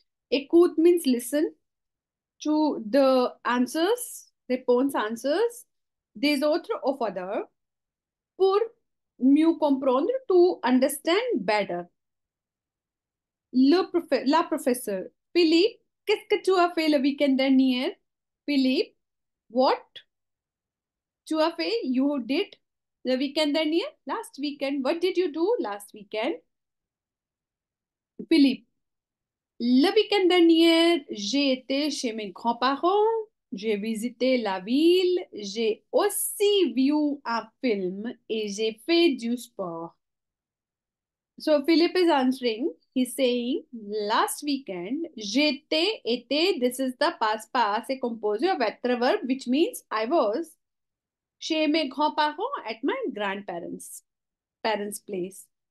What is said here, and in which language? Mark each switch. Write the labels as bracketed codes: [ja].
[en] Écoute means listen to the answers, réponse answers [fr] des autres [en] of other [fr] pour mieux comprendre, [en] to understand better. [fr] La professeure. Philippe, qu'est-ce que tu as fait le week-end dernier? [en] Philippe, what? [fr] Tu as fait, [en] you did [fr] le week-end dernier? [en] Last weekend, what did you do last weekend? [fr] Philippe, le week-end dernier, j'ai été chez mes grands-parents, j'ai visité la ville, j'ai aussi vu un film et j'ai fait du sport. [en] So Philippe is answering. He's saying last weekend, j'étais, this is the past passé composé of être verb, which means I was [fr] chez mes grands-parents [en] at my grandparents' place.